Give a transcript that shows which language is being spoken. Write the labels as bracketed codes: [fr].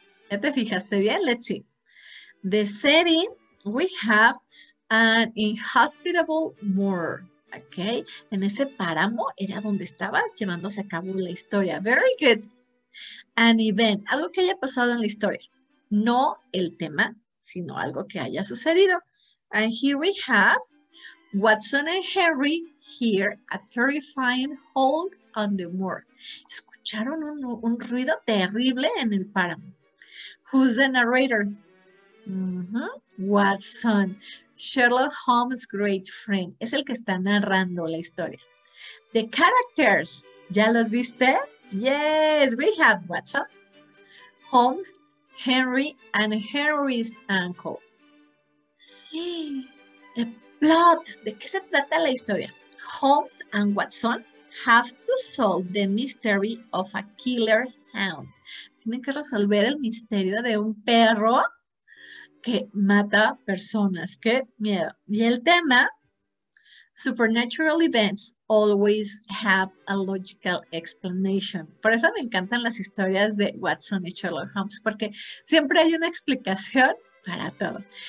[es] ¿Ya te fijaste bien? [en] Let's see. The setting, we have an inhospitable moor. [es] Okay, en ese páramo era donde estaba llevándose a cabo la historia. [en] Very good. An event, [es] algo que haya pasado en la historia. No el tema, sino algo que haya sucedido. [en] And here we have Watson and Harry hear a terrifying hold on the moor. [es] Escucharon un ruido terrible en el páramo. [en] Who's the narrator? Watson. Sherlock Holmes' great friend. [es] Es el que está narrando la historia. [en] The characters. [es] ¿Ya los viste? [en] Yes, we have Watson, Holmes, Henry, and Henry's uncle. The plot. [es] ¿De qué se trata la historia? [en] Holmes and Watson have to solve the mystery of a killer hound. [es] Tienen que resolver el misterio de un perro que mata personas. ¡Qué miedo! Y el tema, [en] supernatural events always have a logical explanation. [es] Por eso me encantan las historias de Watson y Sherlock Holmes, porque siempre hay una explicación para todo.